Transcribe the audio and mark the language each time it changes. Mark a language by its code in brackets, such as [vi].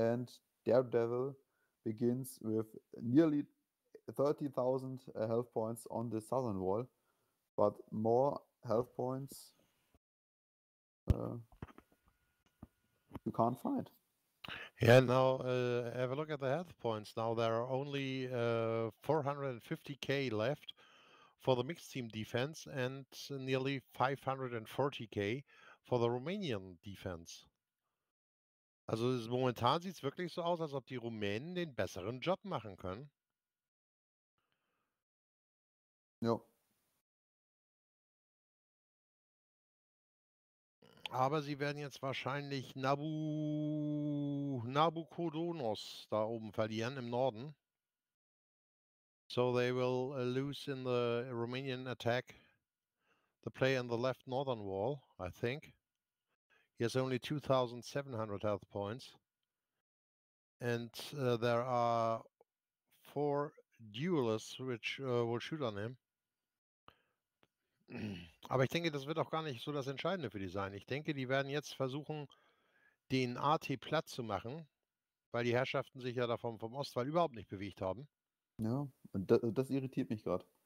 [en] And Daredevil begins with nearly 30,000 health points on the southern wall, but more health points you can't find. Yeah, now have a look at the health points. Now there are only 450k left for the mixed team defense and nearly 540k for the Romanian defense. [de] Also es, momentan sieht es wirklich so aus, als ob die Rumänen den besseren Job machen können. Ja. Aber sie werden jetzt wahrscheinlich Nabucodonos da oben verlieren im Norden. [en] So they will lose in the Romanian attack the play on the left northern wall, I think. He has only 2,700 health points. And there are 4 duelists, which will shoot on him. [de] Aber ich denke, das wird auch gar nicht so das Entscheidende für die sein. Ich denke, die werden jetzt versuchen, den AT platt zu machen, weil die Herrschaften sich ja davon vom Ostwall überhaupt nicht bewegt haben. Ja, und das irritiert mich gerade.